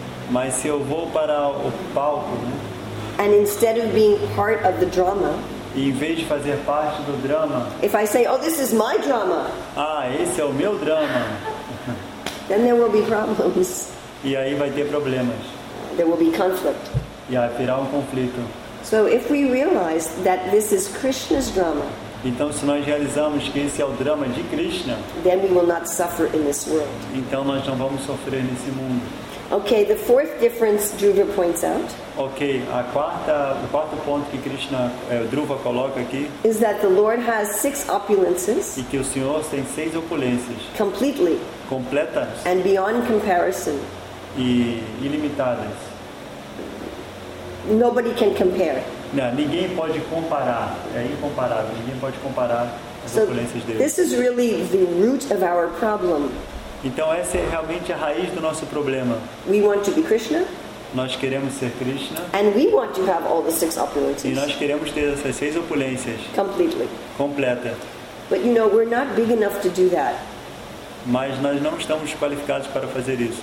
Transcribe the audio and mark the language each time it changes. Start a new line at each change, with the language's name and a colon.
Portuguese: mas se eu vou para o palco, né?
English: And instead of being part of the drama,
Portuguese: e em vez de fazer parte do drama,
English: if I say, oh, this is my drama,
Portuguese: ah, esse é o meu drama,
English: then there will be problems.
Portuguese: E aí vai ter problemas.
English: There will be conflict.
Portuguese: E aí virá um conflito.
English: So if we realize that this is Krishna's drama,
Portuguese: então se nós realizamos que esse é o drama de Krishna,
English: then we will not suffer in this world.
Portuguese: Então nós não vamos sofrer nesse mundo.
English: Okay, the fourth difference Dhruva points out.
Portuguese: Okay, a quarta, o quarto ponto que Krishna, Dhruva coloca aqui,
English: is that the Lord has six opulences.
Portuguese: E que o Senhor tem seis opulências.
English: Completely.
Portuguese: Completas.
English: And beyond comparison.
Portuguese: E ilimitadas.
English: Nobody can compare.
Portuguese: Não, ninguém pode comparar. É incomparável. Ninguém pode comparar as opulências dele.
English: This is really the root of our problem.
Portuguese: Então essa é realmente a raiz do nosso problema.
English: We want to be Krishna.
Portuguese: Nós queremos ser Krishna.
English: And we want to have all the six opulences.
Portuguese: E nós queremos ter essas seis opulências.
English: Completely.
Portuguese: Completa.
English: But you know, we're not big enough to do that.
Portuguese: Mas nós não estamos qualificados para fazer isso.